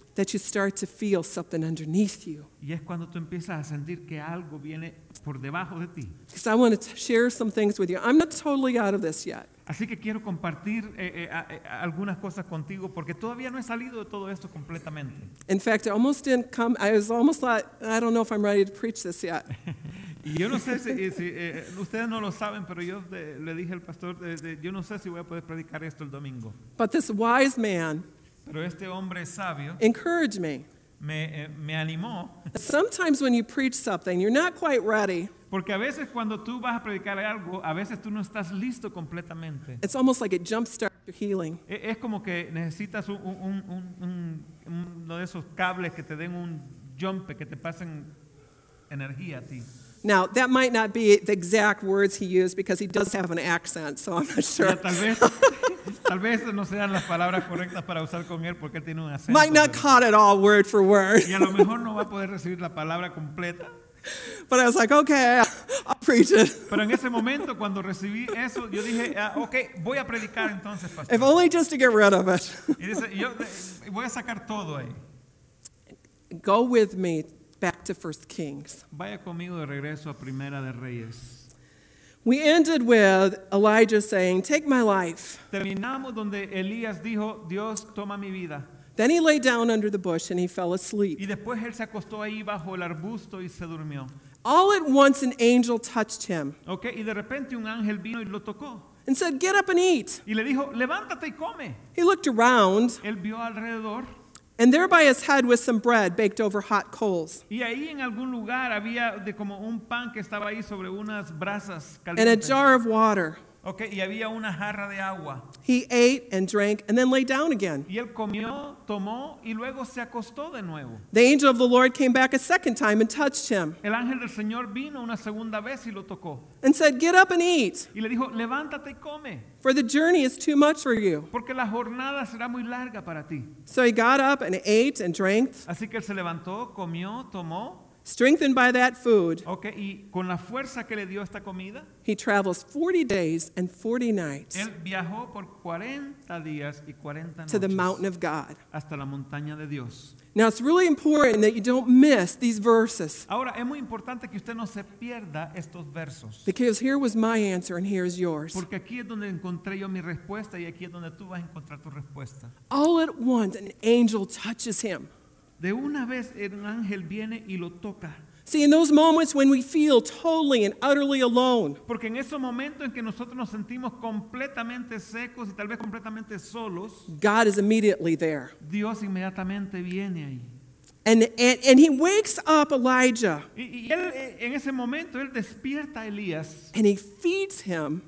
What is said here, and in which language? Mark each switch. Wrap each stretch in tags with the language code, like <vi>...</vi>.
<en>That you start to feel something underneath you.</en> <es>Y es cuando tú empiezas a sentir que algo viene por debajo de ti.</es> <en>Because I want to share some things with you. I'm not totally out of this yet.</en> <es>Así que quiero compartir algunas cosas contigo porque todavía no he salido de todo esto completamente.</es> <en>In fact, I almost didn't come. I was almost like, I don't know if I'm ready to preach this yet.</en> <es>Y yo no sé si ustedes no lo saben, pero yo le dije al pastor, yo no sé si voy a poder predicar esto el domingo.</es> <en>But this wise man.</en> <es>Pero este hombre sabio</es> <en>encourage me.</en> <es>Me animó.</es> <en>Sometimes when you preach something, you're not quite ready.</en> <es>Porque a veces cuando tú vas a predicar algo, a veces tú no estás listo completamente.</es> <en>It's almost like it jumpstarts your healing.</en> <es>Es como que necesitas uno de esos cables que te den un jump, que te pasen energía a ti.</es> <en>Now, that might not be the exact words he used because he does have an accent, so I'm not sure.</en> <es>Tal vez no sean las palabras correctas para usar con él porque tiene un acento.</es> <en>Might not caught it all word for word.</en> <es>Y a lo mejor no va a poder recibir la palabra completa.</es> <en>But I was like, okay, I'll preach it.</en> <es>Pero en ese momento cuando recibí eso, yo dije, okay, voy a predicar entonces, pastor.</es> <en>If only just to get rid of it.</en> <es>Y dice, yo voy a sacar todo ahí.</es> <en>Go with me back to 1 Kings.</en> <es>Vaya conmigo de regreso a Primera de Reyes.</es> <en>We ended with Elijah saying, "Take my life."</en> <es>Terminamos donde Elías dijo, "Dios, toma mi vida."</es> <en>Then he lay down under the bush and he fell asleep.</en> <es>Y después él se acostó ahí bajo el arbusto y se durmió.</es> <en>All at once an angel touched him.</en> <es>Okay, y de repente un ángel vino y lo tocó.</es> <en>And said, "Get up and eat."</en> <es>Y le dijo, "Levántate y come."</es> <en>He looked around.</en> <es>Él vio alrededor.</es> <en>And there by his head was some bread baked over hot coals.</en> <es>Y ahí en algún lugar había de como un pan que estaba ahí sobre unas brasas calientes.</es> <en>And a jar of water.</en> <es>Okay, y había una jarra de agua.</es> <en>He ate and drank and then lay down again.</en> <es>Y él comió, tomó y luego se acostó de nuevo.</es> <en>The angel of the Lord came back a second time and touched him.</en> <es>El ángel del Señor vino una segunda vez y lo tocó.</es> <en>And said, "Get up and eat."</en> <es>Y le dijo, "Levántate y come."</es> <en>For the journey is too much for you.</en> <es>Porque la jornada será muy larga para ti.</es> <en>So he got up and ate and drank.</en> <es>Así que él se levantó, comió, tomó.</es> <en>Strengthened by that food.</en> <es>Okay, y con la fuerza que le dio esta comida.</es> <en>He travels 40 days and 40 nights.</en> <es>Él viajó por 40 días y 40 noches.</es> <en>To the mountain of God.</en> <es>Hasta la montaña de Dios.</es> <en>Now it's really important that you don't miss these verses.</en> <es>Ahora es muy importante que usted no se pierda estos versos.</es> <en>Because here was my answer and here is yours.</en> <es>Porque aquí es donde encontré yo mi respuesta y aquí es donde tú vas a encontrar tu respuesta.</es> <en>All at once an angel touches him.</en> <es>De una vez el ángel viene y lo toca.</es> <en>See, in those moments when we feel totally and utterly alone.</en> <es>Porque en esos momentos en que nosotros nos sentimos completamente secos y tal vez completamente solos.</es> <en>God is immediately there.</en> <es>Dios inmediatamente viene ahí.</es> <en>And he wakes up Elijah.</en> <es>Y él, en ese momento, él despierta a Elías.</es> <en>And he feeds him.</en>